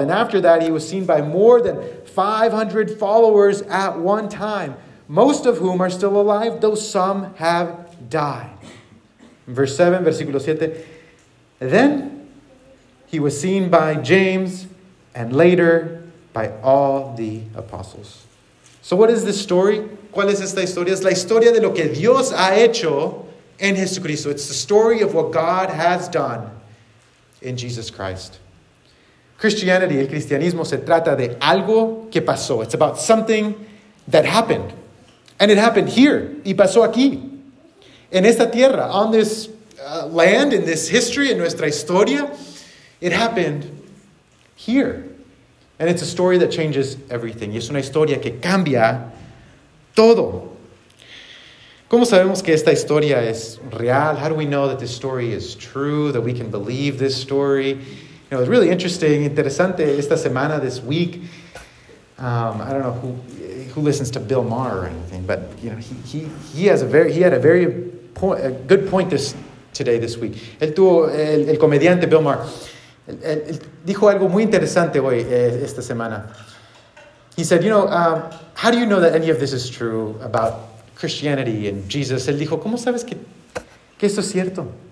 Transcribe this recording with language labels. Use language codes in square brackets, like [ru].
[en] And after that, he was seen by more than 500 followers at one time, most of whom are still alive, though some have died. Verse 7, versículo 7. Then he was seen by James and later by all the apostles. So what is this story? [es] ¿Cuál es esta historia? Es la historia de lo que Dios ha hecho en Jesucristo. [en] It's the story of what God has done in Jesus Christ. [es] Christianity, el cristianismo, se trata de algo que pasó. [en] It's about something that happened. And it happened here. [es] Y pasó aquí. En esta tierra. [en] On this land, in this history, in [es] nuestra historia. [en] It happened here. And it's a story that changes everything. [es] Y es una historia que cambia todo. ¿Cómo sabemos que esta historia es real? [en] How do we know that this story is true, that we can believe this story? You know, it's really interesting, interesante, [es] esta semana, [en] this week. I don't know who listens to Bill Maher or anything, but you know, he had a good point this week. [es] Él tuvo, el comediante Bill Maher, él dijo algo muy interesante hoy, esta semana. [en] He said, you know, how do you know that any of this is true about Christianity and Jesus? [es] Él dijo, ¿cómo sabes que esto es cierto?